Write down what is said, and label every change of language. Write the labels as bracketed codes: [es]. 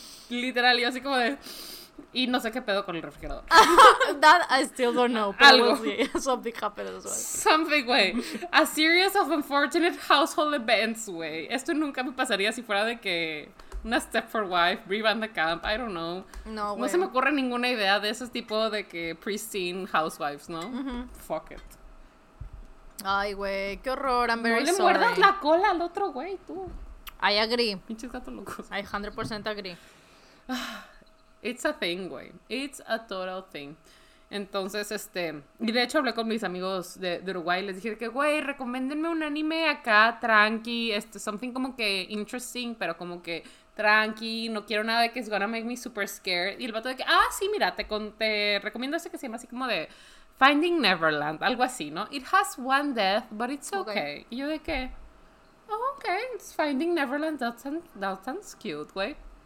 [es] Literal, y así como de... Y no sé qué pedo con el refrigerador. [en] That I still don't know. But [es] algo. [en] We'll see. Something happened as well. Something, güey. A series of unfortunate household events, güey. [es] Esto nunca me pasaría si fuera de que... Una [en] Stepford Wife, Brie Van de Kamp, I don't know. [es] No, güey. No se me ocurre ninguna idea de ese tipo de que [en] pristine housewives, [es] ¿no? Uh-huh. [en] Fuck it. [es] Ay, güey, qué horror. [en] I'm very sorry. [es] No le muerdas la cola al otro, güey, tú. [en] I agree. [es] Pinches gatos locos. [en] I 100% agree. It's a thing, güey. It's a total thing. [es] Entonces, y de hecho hablé con mis amigos de Uruguay y les dije que, güey, recomiéndenme un anime acá, tranqui, [en] something [es] como que [en] interesting, [es] pero como que tranqui, no quiero nada de que [en] it's gonna make me super scared. [es] Y el vato de que, ah, sí, mira, te recomiendo ese que se llama así como de Finding Neverland, algo así, ¿no? [en] It has one death, but it's okay. Okay. [es] Y yo de que, [en] oh, okay, it's Finding Neverland, that sounds cute, güey.